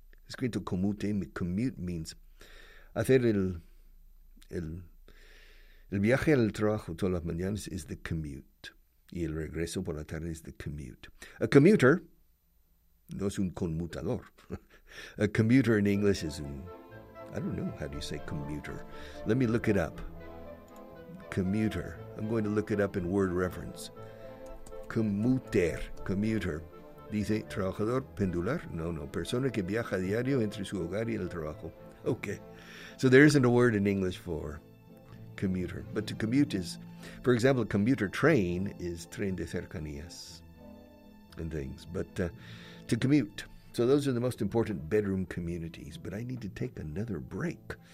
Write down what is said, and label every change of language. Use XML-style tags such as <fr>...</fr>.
<es>Escrito commute,</es> <en>commute means</en> <es>hacer el viaje al trabajo todas las mañanas</es> <en>is the commute.</en> <es>Y el regreso por la tarde</es> <en>is the commute.</en> <es>A commuter no es un conmutador.</es> <en>A commuter in English is un, I don't know, how do you say commuter? Let me look it up. Commuter. I'm going to look it up in word reference. Commuter. Commuter.</en> <es>Dice trabajador pendular. No, no. Persona que viaja a diario entre su hogar y el trabajo.</es> <en>Okay. So there isn't a word in English for commuter. But to commute is, for example, a commuter train is</en> <es>tren de cercanías</es> <en>and things. But to commute. So those are the most important bedroom communities. But I need to take another break.</en>